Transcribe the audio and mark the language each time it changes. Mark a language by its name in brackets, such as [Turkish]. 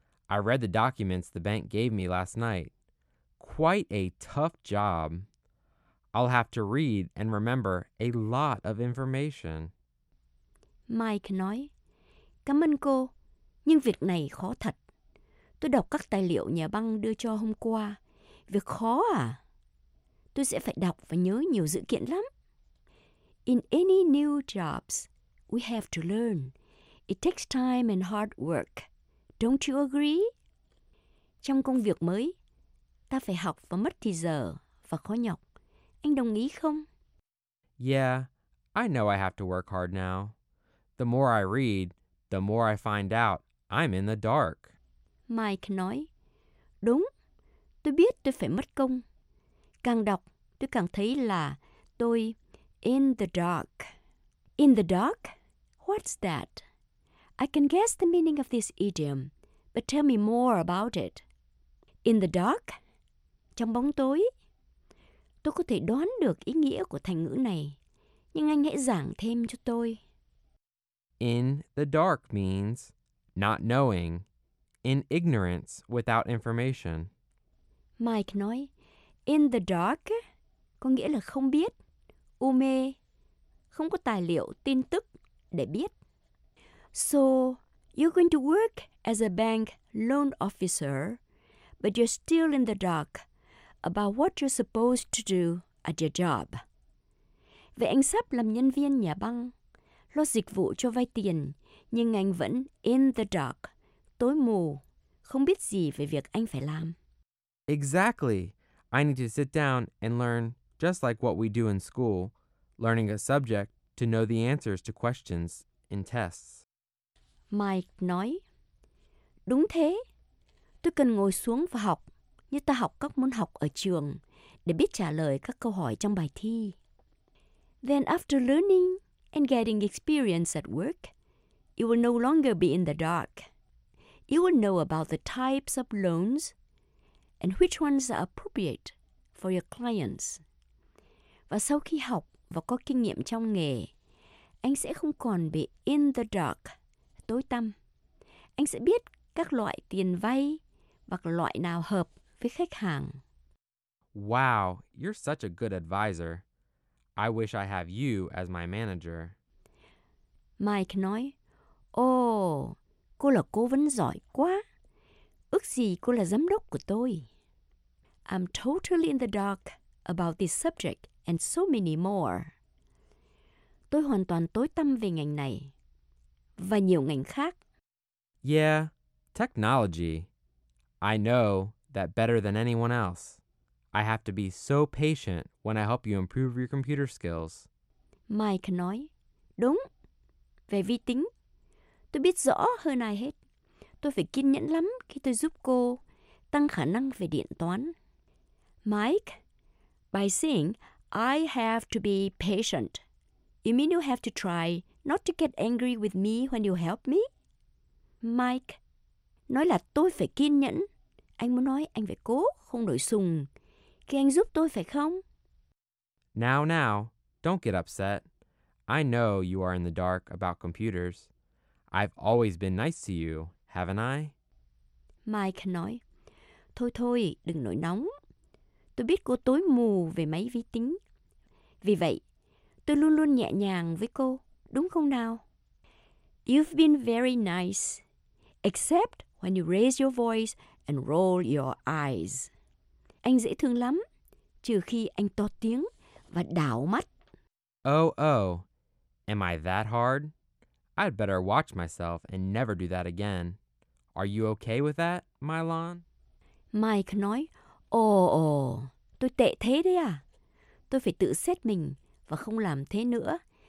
[English] I read the documents the bank gave me last night. Quite a tough job. I'll have to read and remember a lot of information. [Vietnamese] Mike nói, cảm ơn cô, nhưng việc này khó thật. Tôi đọc các tài liệu nhà băng đưa cho hôm qua. Việc khó à? Tôi sẽ phải đọc và nhớ nhiều dữ kiện lắm. [English] In any new jobs, we have to learn. It takes time and hard work. Don't you agree? [Vietnamese] Trong công việc mới, ta phải học và mất thì giờ và khó nhọc. Anh đồng ý không? [English] Yeah, I know I have to work hard now. The more I read, the more I find out I'm in the dark. [Vietnamese] Mike nói, đúng, tôi biết tôi phải mất công. Càng đọc, tôi càng thấy là tôi [English] in the dark. In the dark? What's that? I can guess the meaning of this idiom, but tell me more about it. In the dark? [Vietnamese] Trong bóng tối? Tôi có thể đoán được ý nghĩa của thành ngữ này, nhưng anh hãy giảng thêm cho tôi. [English] In the dark means not knowing, in ignorance without information. [Vietnamese] Mike nói, [English] in the dark [Vietnamese] có nghĩa là không biết, u mê, không có tài liệu, tin tức để biết. [English] So, you're going to work as a bank loan officer, but you're still in the dark about what you're supposed to do at your job. [Vietnamese] Vậy anh sắp làm nhân viên nhà băng, lo dịch vụ cho vay tiền, nhưng anh vẫn [English] in the dark, [Vietnamese] tối mù, không biết gì về việc anh phải làm. [English] Exactly. I need to sit down and learn, just like what we do in school, learning a subject to know the answers to questions in tests. [Vietnamese] Mike nói, đúng thế, tôi cần ngồi xuống và học, như ta học các môn học ở trường, để biết trả lời các câu hỏi trong bài thi. [English] Then after learning and getting experience at work, you will no longer be in the dark. You will know about the types of loans and which ones are appropriate for your clients. [Vietnamese] Và sau khi học và có kinh nghiệm trong nghề, anh sẽ không còn bị [English] in the dark, [Vietnamese] tối tăm. Anh sẽ biết các loại tiền vay và loại nào hợp với khách hàng. [English] Wow, you're such a good advisor. I wish I have you as my manager. [Vietnamese] Mike nói, oh, cô là cố vấn giỏi quá. Ước gì cô là giám đốc của tôi. [English] I'm totally in the dark about this subject and so many more. [Vietnamese] Tôi hoàn toàn tối tăm về ngành này và nhiều ngành khác. [English] Yeah, technology. I know that better than anyone else. I have to be so patient when I help you improve your computer skills. [Vietnamese] Mike nói, đúng, về vi tính. Tôi biết rõ hơn ai hết. Tôi phải kiên nhẫn lắm khi tôi giúp cô tăng khả năng về điện toán. [English] Mike, by saying I have to be patient, you mean you have to try not to get angry with me when you help me? [Vietnamese] Mike, nói là tôi phải kiên nhẫn. Anh muốn nói anh phải cố, không nổi sùng. Khi anh giúp tôi phải không? [English] Now, now, don't get upset. I know you are in the dark about computers. I've always been nice to you, haven't I? [Vietnamese] Mike nói, thôi thôi, đừng nổi nóng. Tôi biết cô tối mù về máy vi tính. Vì vậy, tôi luôn luôn nhẹ nhàng với cô, đúng không nào? [English] You've been very nice, except when you raise your voice and roll your eyes. [Vietnamese] Anh dễ thương lắm, trừ khi anh to tiếng và đảo mắt. [English] Oh, oh, am I that hard? I'd better watch myself and never do that again. Are you okay with that, Mylon? [Vietnamese] Mike nói, oh, tôi tệ thế đấy à. Tôi phải tự xét mình và không làm thế nữa.